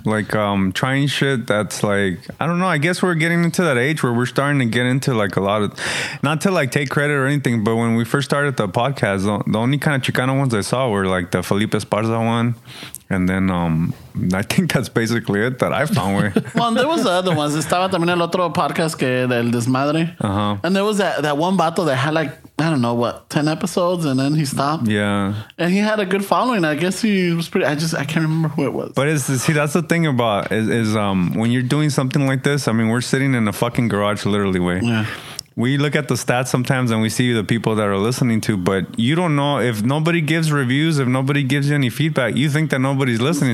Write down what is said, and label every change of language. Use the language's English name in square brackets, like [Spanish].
[English] Like trying shit that's like, I don't know, I guess we're getting into that age where we're starting to get into like a lot of, not to like take credit or anything, but when we first started the podcast, the only kind of Chicano ones I saw were like the Felipe Esparza one, and then I think that's basically it that I found. Well, there was the other ones. [Spanish] Estaba también el otro podcast que del desmadre. Uh-huh. [English] And there was that one vato that had like, I don't know what, 10 episodes, and then he stopped. Yeah. And he had a good following. I guess he was pretty, I can't remember who it was. But that's the thing about is when you're doing something like this, I mean, we're sitting in a fucking garage literally, way. Yeah. we look at the stats sometimes and we see the people that are listening to, but you don't know if nobody gives reviews, if nobody gives you any feedback, you think that nobody's listening.